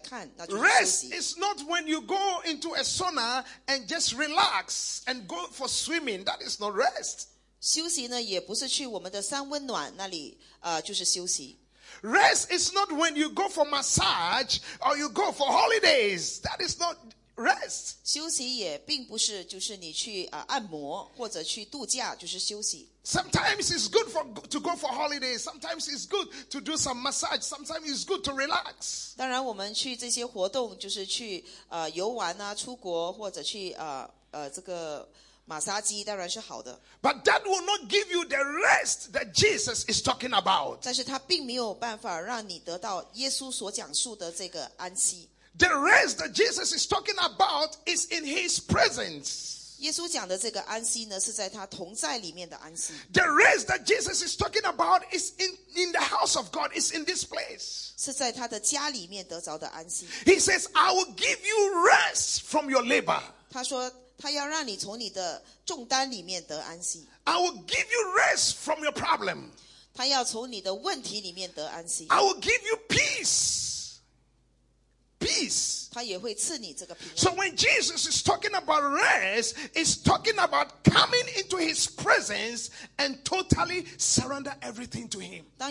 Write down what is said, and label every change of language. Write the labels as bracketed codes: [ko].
[en] Rest is not when you go into a sauna and just relax and go for swimming. That is not rest. [zh] 休息呢，也不是去我们的三温暖那里，就是休息。 [en] Rest is not when you go for massage or you go for holidays. That is not rest. [zh] 休息也并不是就是你去按摩或者去度假，就是休息。 [en] Sometimes it's good to go for holidays. Sometimes it's good to do some massage. Sometimes it's good to relax. [zh] 当然我们去这些活动就是去游玩啊出国或者去这个马杀鸡当然是好的, [en] but that will not give you the rest that Jesus is talking about. The rest that Jesus is talking about is in his presence. [zh] 耶稣讲的这个安息呢，是在他同在里面的安息。 [en] The rest that Jesus is talking about is in the house of God, is in this place. [zh] 是在他的家里面得着的安息。 [en] He says, I will give you rest from your labor. [zh] 他说他要让你从你的重担里面得安息。 [en] I will give you rest from your problem. [zh] 他要从你的问题里面得安息。 [en] I will give you peace. Peace. So when Jesus is talking about rest, he's talking about coming into his presence and totally surrender everything to him.